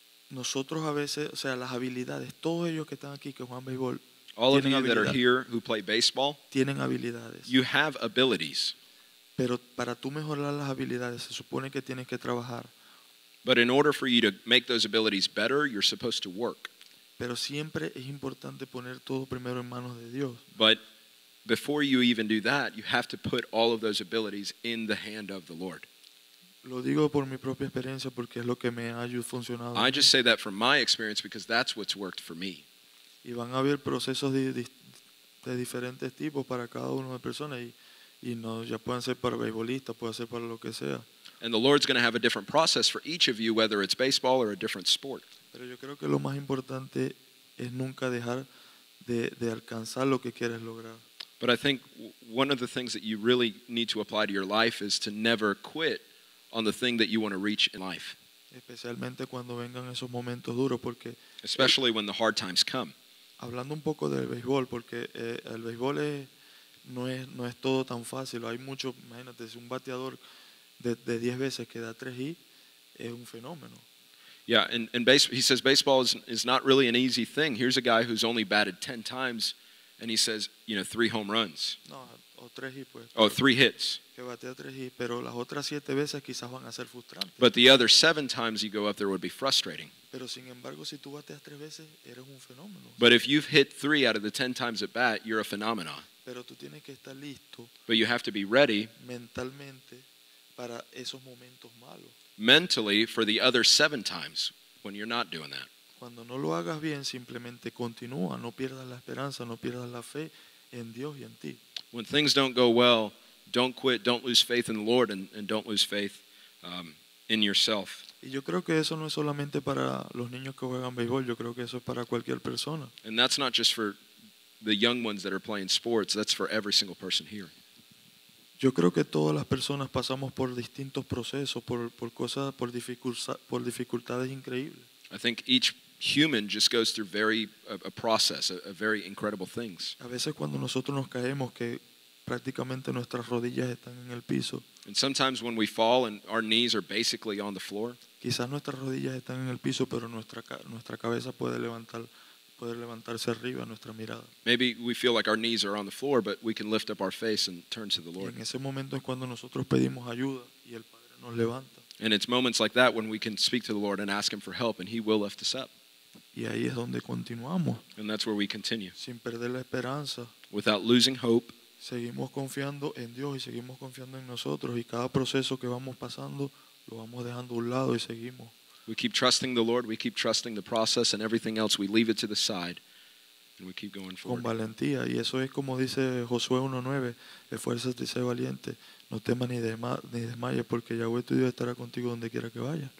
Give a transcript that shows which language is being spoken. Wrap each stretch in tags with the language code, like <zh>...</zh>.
<es>Nosotros a veces, o sea, las habilidades, todos ellos que están aquí que juegan béisbol,</es> <en>all of you that are here who play baseball,</en> <es>tienen habilidades.</es> <en>You have abilities.</en> <es>Pero para tú mejorar las habilidades, se supone que tienes que trabajar.</es> <en>But in order for you to make those abilities better, you're supposed to work.</en> <es>Pero siempre es importante poner todo primero en manos de Dios.</es> <en>But before you even do that, you have to put all of those abilities in the hand of the Lord.</en> <es>Lo digo por mi propia experiencia porque es lo que me ha funcionado.</es> <en>I just say that from my experience because that's what's worked for me.</en> <es>Y van a haber procesos de diferentes tipos para cada una de las personas y no ya pueden ser para beisbolista, puede ser para lo que sea.</es> <en>And the Lord's going to have a different process for each of you whether it's baseball or a different sport.</en> <es>Pero yo creo que lo más importante es nunca dejar de alcanzar lo que quieres lograr.</es> <en>But I think one of the things that you really need to apply to your life is to never quit on the thing that you want to reach in life.</en> <es>Especialmente cuando vengan esos momentos duros porque</es> <en>especially when the hard times come.</en> <es>Hablando un poco del béisbol porque el béisbol es no es todo tan fácil, hay mucho, imagínate, un bateador de 10 veces que da 3 hits es un fenómeno.</es> <en>Yeah, and baseball, he says baseball is not really an easy thing. Here's a guy who's only batted 10 times and he says, you know, 3 home runs.</en> <es>No,</es> <en>three hits.</en> <es>Que batea tres hits, pero las otras siete veces quizás van a ser frustrantes.</es> <en>But the other seven times you go up there would be frustrating.</en> <es>Pero sin embargo, si tú bateas tres veces, eres un fenómeno.</es> <en>But if you've hit three out of the 10 times at bat, you're a phenomenon.</en> <es>Pero tú tienes que estar listo.</es> <en>But you have to be ready</en> <es>mentalmente para esos momentos malos.</es> <en>Mentally for the other seven times when you're not doing that.</en> <es>Cuando no lo hagas bien, simplemente continúa, no pierdas la esperanza, no pierdas la fe en Dios y en ti.</es> <en>When things don't go well, don't quit, don't lose faith in the Lord, and don't lose faith in yourself.</en> <es>Y yo creo que eso no es solamente para los niños que juegan béisbol, yo creo que eso es para cualquier persona.</es> <en>And that's not just for the young ones that are playing sports, that's for every single person here.</en> <es>Yo creo que todas las personas pasamos por distintos procesos, por dificultades increíbles.</es> <en>I think each human just goes through a process, very incredible things.</en> <es>A veces cuando nosotros nos caemos que prácticamente nuestras rodillas están en el piso.</es> <en>And sometimes when we fall and our knees are basically on the floor.</en> <es>Quizás nuestras rodillas están en el piso, pero nuestra cabeza puede levantarse arriba nuestra mirada.</es> <en>Maybe we feel like our knees are on the floor, but we can lift up our face and turn to the Lord.</en> <es>En ese momento es cuando nosotros pedimos ayuda y el Padre nos levanta.</es> <en>And it's moments like that when we can speak to the Lord and ask him for help and he will lift us up.</en> <es>Y ahí es donde continuamos.</es> <en>And that's where we continue.</en> <es>Sin perder la esperanza.</es> <en>Without losing hope.</en> <es>Seguimos confiando en Dios y seguimos confiando en nosotros y cada proceso que vamos pasando lo vamos dejando a un lado y seguimos.</es> <en>We keep trusting the Lord, we keep trusting the process and everything else, we leave it to the side and we keep going forward.</en> <es>Con valentía, y eso es como dice Josué 1:9, esfuérzate y sé valiente, no temas ni desmayes porque Yahweh tu Dios estará contigo donde quiera que vayas.</es>